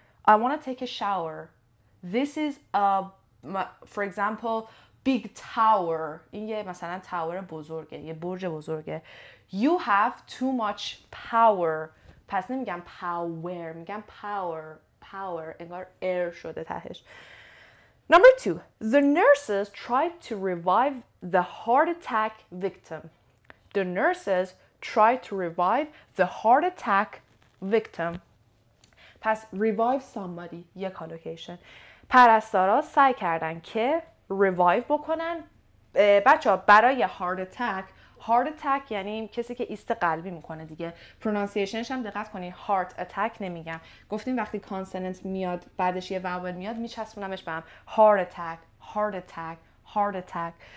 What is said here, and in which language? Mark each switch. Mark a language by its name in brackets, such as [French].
[English] I wanna take a shower. This is a, for example, big tower. [Persian] این یه مثلا تاور بزرگه، یه برج بزرگه. [English] You have too much power. [Persian] پس نمیگم power، میگم power. Power. انگار air شده تهش. [English] Number two. The nurses tried to revive the heart attack victim. The nurses tried to revive the heart attack victim. [Persian] پس [English] revive somebody. [Persian] یک کالوکیشن. پرستارا سعی کردن که revive بکنن. بچه ها برای heart attack، هارت اتک یعنی کسی که ایست قلبی میکنه دیگه. پرونانسیشنش هم دقت کنی، هارت اتک نمیگم، گفتیم وقتی کانسننت میاد بعدش یه واول میاد میچسبونمش به هم، هارت اتک، هارت اتک، هارت اتک.